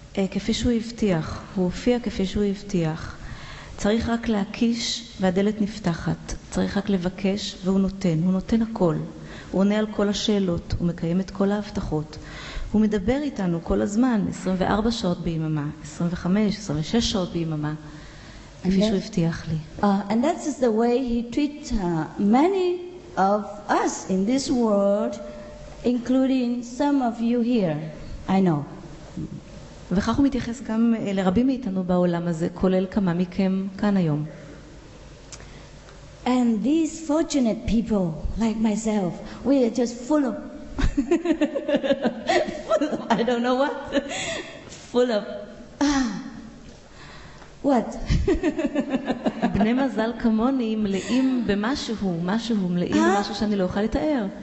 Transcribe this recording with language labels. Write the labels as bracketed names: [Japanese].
[Hebrew] כפי שהוא הבטיח, הוא הופיע כפי שהוא הבטיח. צריך רק להקיש והדלת נפתחת. צריך רק לבקש והוא נותן. הוא נותן הכל. הוא עונה על כל השאלות, הוא מקיים את כל ההבטחות. הוא מדבר איתנו כל הזמן, 24 שעות ביממה, 25, 26 שעות ביממה, כפי שהוא הבטיח לי. [English] And that is the way he treats many of us in this world, including some of you here, I know. [Hebrew] וכך הוא מתייחס גם לרבים מאיתנו בעולם הזה, כולל כמה מכם כאן היום. [English] And these fortunate people, like myself, we are just full of, I don't know what, full of, what? [Hebrew] בני מזל כמוני מלאים במשהו, משהו, מלאים במשהו שאני לא אוכל לתאר.